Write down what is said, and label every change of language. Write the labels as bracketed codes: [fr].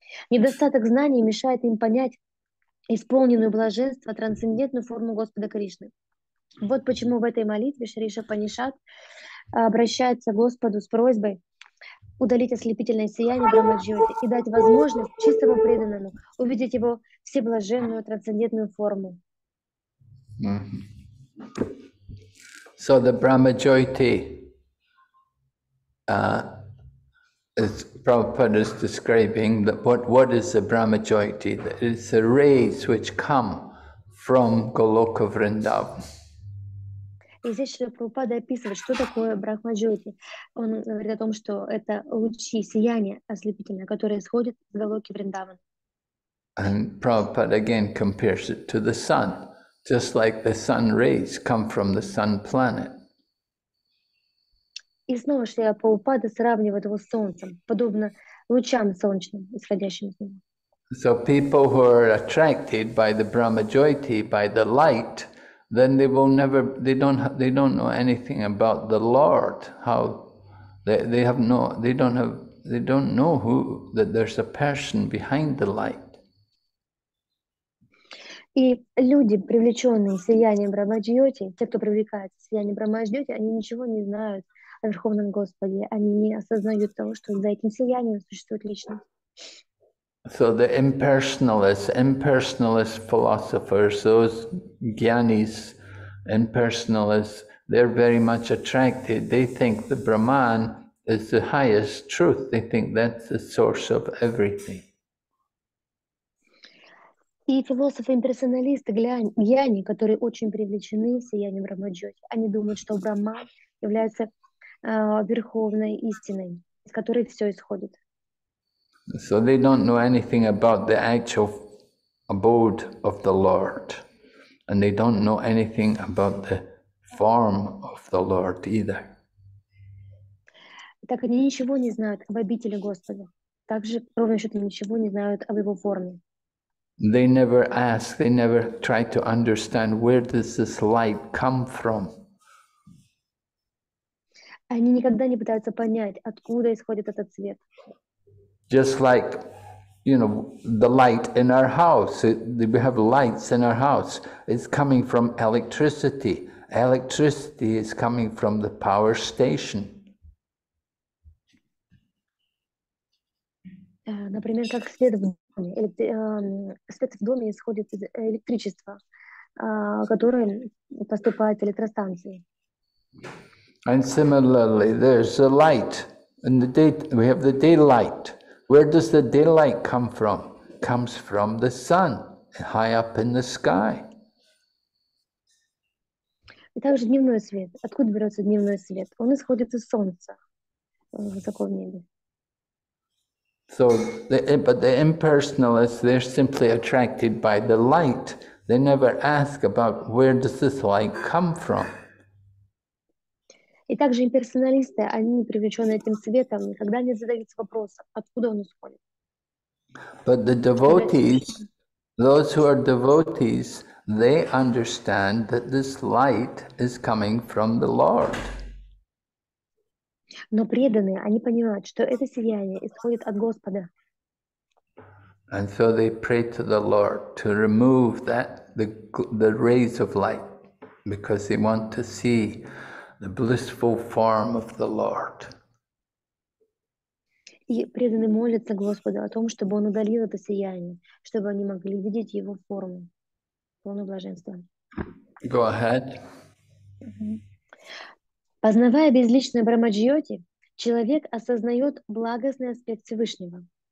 [ru] Недостаток знаний мешает им понять исполненную блаженство, трансцендентную форму Господа Кришны. Вот почему в этой молитве Шриша Панишат обращается к Господу с просьбой удалить ослепительное сияние Брахма-джьоти и дать возможность чистому преданному увидеть его всеблаженную трансцендентную форму. [en] So the Brahma-jyoti, as Prabhupada is describing, that what is the Brahma-jyoti? It's the rays which come from Goloka Vrindavan. [ru] И здесь Шрила Прабхупада описывает, что такое Брахма-джойти. Он говорит о том, что это лучи сияния ослепительные, которые исходят из Голоки Вриндаван. [en] And Prabhupada again compares it to the sun, just like the sun rays come from the sun planet. [ru] И снова Шрила Прабхупада сравнивает его с солнцем, подобно лучам солнечным, исходящим из него. [en] So people who are attracted by the Brahma-jyoti, by the light, then they will never, they don't know anything about the Lord, how they don't know who, that there's a person behind the light. [ru] И люди, привлеченные сиянием Брахма-джьоти, те, кто привлекается сиянием Брахма-джьоти, они ничего не знают о Верховном Господе, они не осознают того, что за этим сиянием существует личность. [en] So the impersonalist philosophers, those gyanis, impersonalists, they're very much attracted. They think the Brahman is the highest truth. They think that's the source of everything. [ru] И философы-имперсоналисты, гьяни, которые очень привлечены сиянием Брахма-джьоти, они думают, что Брахман является верховной истиной, из которой все исходит. [en] So they don't know anything about the actual abode of the Lord. And they don't know anything about the form of the Lord either. [ru] Так они ничего не знают об обители Господа. Также, ровно счет, ничего не знают об его форме. [en] They never ask, they never try to understand where does this light come from. [ru] Они никогда не пытаются понять, откуда исходит этот свет. [en] Just like, you know, the light in our house. We have lights in our house. It's coming from electricity. Electricity is coming from the power station. [ru] Например, как свет в доме. Свет в доме исходит из электричества, которое поступает электростанции. [en] And similarly, there's a light in the day. We have the daylight. Where does the daylight come from? Comes from the sun, high up in the sky. [ru] И также дневной свет. Откуда берется дневной свет? Он исходит из солнца, высоко в небе. [en] So, but the impersonalists, they're simply attracted by the light. They never ask about where does this light come from. [ru] И также имперсоналисты, они, привлеченные этим светом, никогда не задаются вопросом, откуда он исходит. [en] But the devotees, those who are devotees, they understand that this light is coming from the Lord. [ru] Но преданные, они понимают, что это сияние исходит от Господа. [en] And so they pray to the Lord to remove that the rays of light, because they want to see the blissful form of the Lord. [ru] И преданные молятся Господу о том, чтобы Он удалил это сияние, чтобы они могли видеть Его форму, полное блаженство. [en] Go ahead. [ru] Познавая безличную Брахмаджьоти, человек осознает благостный аспект Всевышнего.